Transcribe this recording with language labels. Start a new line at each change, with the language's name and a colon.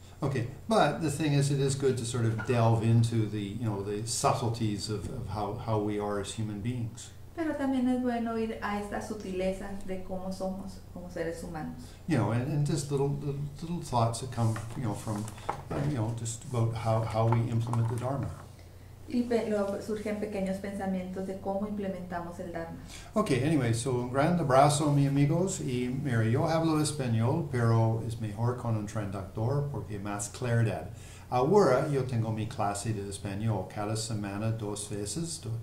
English: Okay, but the thing is, it is good to sort of delve into the, you know, the subtleties of how we are as human beings.
Spanish: Pero también es bueno ir a estas sutilezas de cómo somos como seres humanos.
English: You know, and just little thoughts that come, you know, from, you know, just about how we implement the Dharma.
Spanish: Y surgen pequeños pensamientos de cómo implementamos el Dharma.
English: Okay, anyway, so
Spanish: un gran abrazo, mi amigos. Y mira, yo hablo español, pero es mejor con un traductor porque más claridad. Ahora yo tengo mi clase de español cada semana dos veces.